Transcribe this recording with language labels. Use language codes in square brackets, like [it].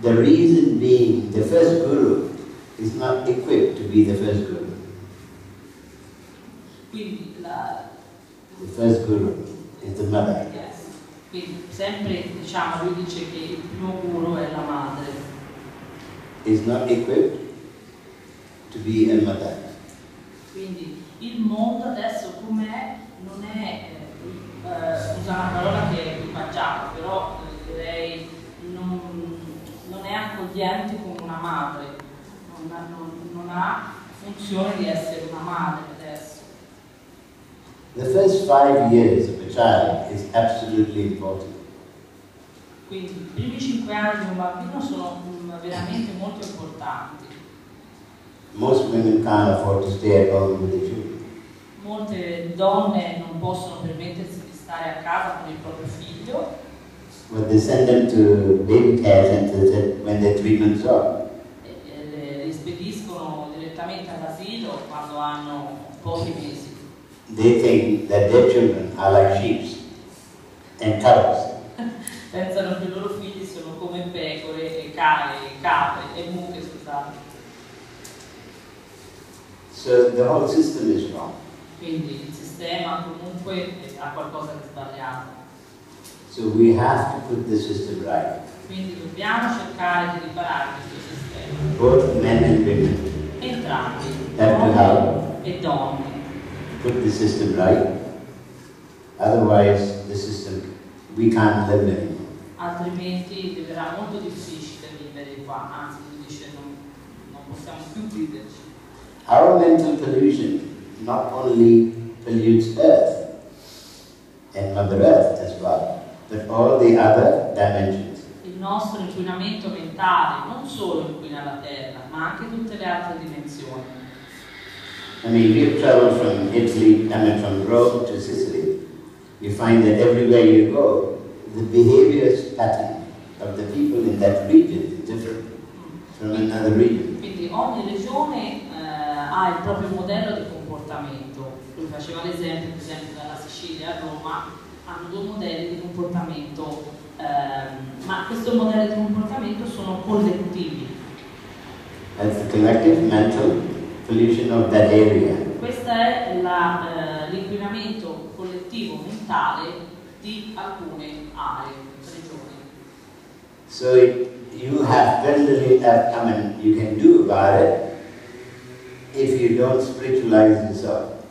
[en] The reason being, the first guru is not equipped to be the first guru. [it] Quindi la... [en] The first guru is the mother. Yes. [it] Quindi sempre, diciamo, lui dice che il primo guru è la madre. [en] Is not equipped to be a mother. [it] Quindi il mondo adesso com'è non è, scusa una parola che è equipaggiato, però direi non è accogliente come una madre, non ha funzione di essere una madre adesso. [en] The first 5 years of a child is absolutely important. [it] Quindi i primi 5 anni di un bambino sono veramente molto importanti. [en] Most women can't afford to stay at home with the children. [it] Molte donne non possono permettersi di stare a casa con il proprio figlio. [en] When they send them to baby care centers when they're 3 months old. [it] Li spediscono direttamente all'asilo quando hanno pochi mesi. [en] They think that their children are like sheep and cows. [it] Pensano che i loro figli sono come pecore e capre e mucche, scusate. [en] So the whole system is wrong. [it] Quindi il sistema comunque ha qualcosa di sbagliato. [en] So we have to put the system right. [it] Quindi dobbiamo cercare di riparare questo sistema. [en] Both men and women. [it] Entrambi. [en] Have to help. [it] E donne. [en] Put the system right. Otherwise the system we can't live anymore. [it] Altrimenti diverrà molto difficile vivere qua. Anzi, lui dice non possiamo più viverci. [en] Our mental pollution not only pollutes Earth and Mother Earth as well, but all the other dimensions. [it] Il nostro inquinamento mentale non solo inquina la Terra, ma anche tutte le altre dimensioni. [en] I mean, we've traveled from Italy, I mean from Rome to Sicily. You find that everywhere you go, the behavior pattern of the people in that region is different from another region. [it] Quindi ogni regione il proprio modello di comportamento. Lui faceva l'esempio, per esempio, dalla Sicilia a Roma, hanno due modelli di comportamento ma questo modello di comportamento sono collettivi. [en] As a collective mental pollution of that area. [it] Questo è la, l'inquinamento collettivo mentale di alcune aree, regioni. [en] So you have very you can do about it if you don't spiritualize yourself.